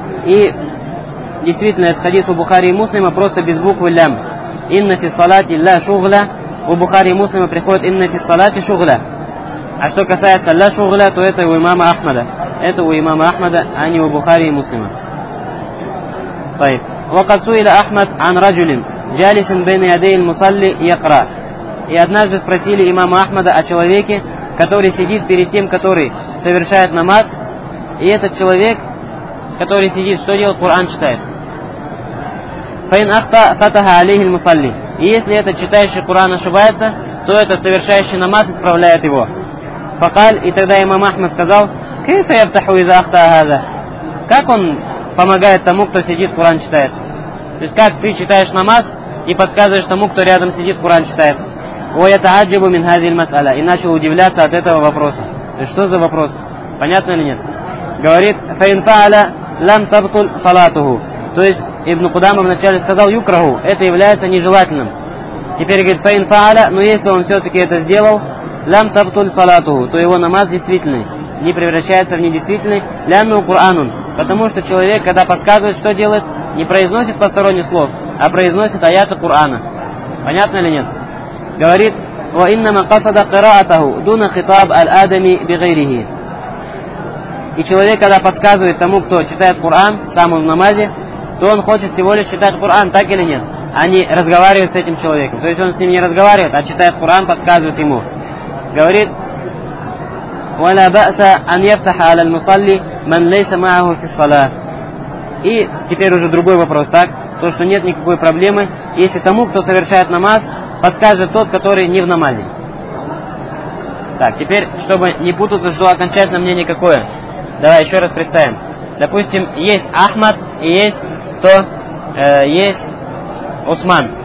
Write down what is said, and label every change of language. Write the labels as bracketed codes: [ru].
[ru] И действительно, этот хадис у Бухари и Муслима просто без буквы лям. Инна фи салати ля шугля. У Бухари и Муслима приходит инна фи салати шугля. А что касается ля шугля, то это у имама Ахмада. Это у имама Ахмада, а не у Бухари и Муслима. [ar] طيب وقد سئل احمد عن رجل جالس بين يدي المصلي يقرا. [ru] И однажды спросили имама Ахмада о человеке, который сидит перед тем, который совершает намаз, и этот человек, который сидит, что делает? Коран читает. [ar] فإن أخطأ فتح عليه المصلي. [ru] И если этот читающий Коран ошибается, то этот совершающий намаз исправляет его. فقال, и тогда имам Ахмад сказал: كيف يفتح إذا أخطأ هذا? Как он помогает тому, кто сидит, Куран читает? То есть как ты читаешь намаз и подсказываешь тому, кто рядом сидит, Куран читает? Ой, это аджибу мин хазиль масаля. И начал удивляться от этого вопроса. То есть что за вопрос? Понятно или нет? Говорит, фаин фааля лам табтуль салатуху. То есть ибн Кудама вначале сказал юкраху, это является нежелательным. Теперь говорит, фаин фааля, но если он все-таки это сделал, лам табтуль салатуху, то его намаз действительный, не превращается в недействительный. Лянну куранун. Потому что человек, когда подсказывает, что делает, не произносит посторонних слов, а произносит аяты Корана. Понятно или нет? Говорит, «Ва иннама касада кыраатаху дуна хитаб аль-адами бигайрихи». И человек, когда подсказывает тому, кто читает Коран, сам он в намазе, то он хочет всего лишь читать Коран, так или нет? А не разговаривает с этим человеком. То есть он с ним не разговаривает, а читает Коран, подсказывает ему. [ar] Говорит, وَلَا بَأْسَ أَنْ يَفْتَحَ عَلَى الْمُصَلِّ مَنْ لَيْسَ مَعَهُ فِي الصَّلَاةِ. [ru] И теперь уже другой вопрос, так? То, что нет никакой проблемы, если тому, кто совершает намаз, подскажет тот, который не в намазе. Так, теперь, чтобы не путаться, что окончательное мнение какое. Давай еще раз представим. Допустим, есть Ахмад и есть кто? Есть Усман.